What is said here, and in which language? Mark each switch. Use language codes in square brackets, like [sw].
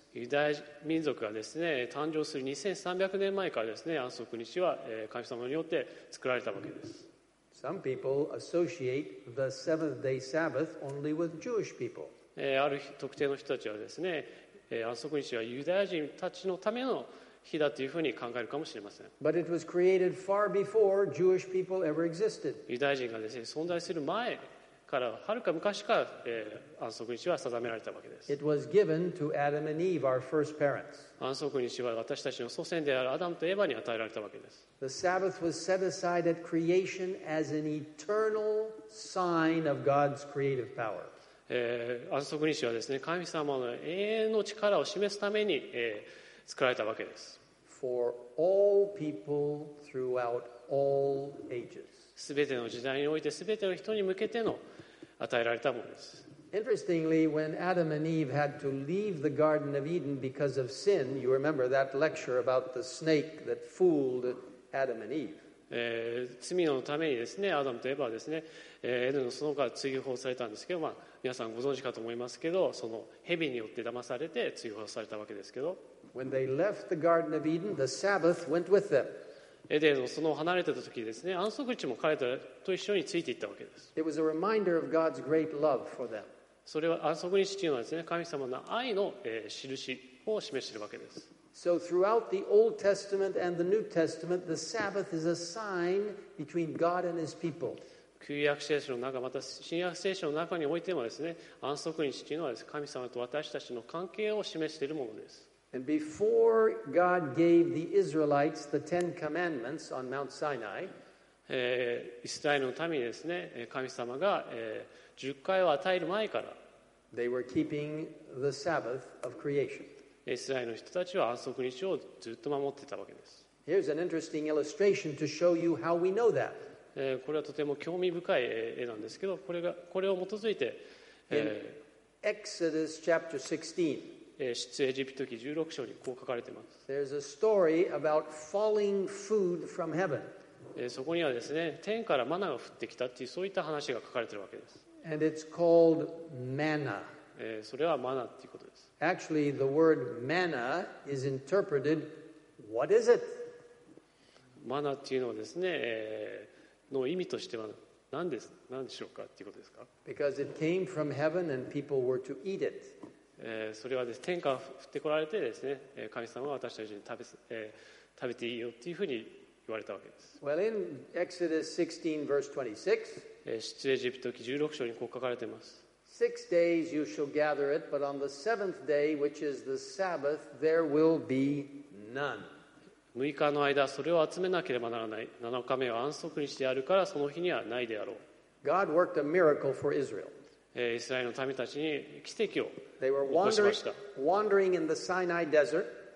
[ja] ユダヤ民族がですね、誕生する2300年前からですね、安息日は神様によって作られたわけです。 [en] Some people associate the seventh day Sabbath only with Jewish people. [ja] ある特定の人たちはですね、安息日はユダヤ人たちのための日だというふうに考えるかもしれません。 [en] But it was created far before Jewish people ever existed. [ja] ユダヤ人がですね、存在する前からはるか昔から、安息日は定められたわけです。 [en] It was given to Adam and Eve, our first parents. [ja] 安息日は私たちの祖先であるアダムとエヴァに与えられたわけです。 [en] The Sabbath was set aside at creation as an eternal sign of God's creative power. [ja] 安息日はですね、神様の永遠の力を示すために、作られたわけです。 [en] For all people throughout all ages. [ja] すべての時代においてすべての人に向けての与えられたものです。 [en] Interestingly, when Adam and Eve had to leave the Garden of Eden because of sin, you remember that lecture about the snake that fooled Adam and Eve. [ja] 罪のためにですね、アダムとエヴァはですね、エデンの園から追放されたんですけど、まあ、皆さんご存知かと思いますけど、その蛇によって騙されて追放されたわけですけど。 [en] When they left the Garden of Eden, the Sabbath went with them. [ja] エデンの園を離れてた時ですね、安息日も彼らと一緒についていったわけです。 [en] It was a reminder of God's great love for them. [ja] それは安息日というのはですね、神様の愛の印を示しているわけです。 [en] So throughout the Old Testament and the New Testament, the Sabbath is a sign between God and His people. [ja] 旧約聖書の中、また新約聖書の中においてもですね、安息日というのはですね、神様と私たちの関係を示しているものです。 [en] And before God gave the Israelites the Ten Commandments on Mount Sinai, [ja] イスラエルのためにですね、神様が十戒を与える前から、 [en] they were keeping the Sabbath of creation. [ja] イスラエルの人たちは安息日をずっと守ってたわけです。 [en] Here's an interesting illustration to show you how we know that. [ja] これはとても興味深い絵なんですけど、これを基づいて、 [en] Exodus chapter 16. [ja] 出エジプト記16章にこう書かれています。 [en] There's a story about falling food from heaven. [ja] そこにはですね、天からマナが降ってきたっていうそういった話が書かれているわけです。 [en] And it's called manna. [ja] それはマナっていうことです。 [en] Actually, the word manna is interpreted, what is it? [ja] マナっていうのはですね、の意味としては何何です、何でしょうかっていうことですか。 [en] Because it came from heaven and people were to eat it. [ja] それはですね、天から降ってこられてですね、神様は私たちに食べていいよっていうふうに言われたわけです。 [en] Well, in Exodus 16 verse 26, [ja] 出エジプト記16章にこう書かれています。 [en] Six days you shall gather it, but on the seventh day, which is the Sabbath, there will be none. [ja] 6日の間それを集めなければならない。7日目は安息にしてあるからその日にはないであろう。 [en] God worked a miracle for Israel. [ja] イスラエルの民たちに奇跡を起こしました。 [en] They were wandering in the Sinai desert.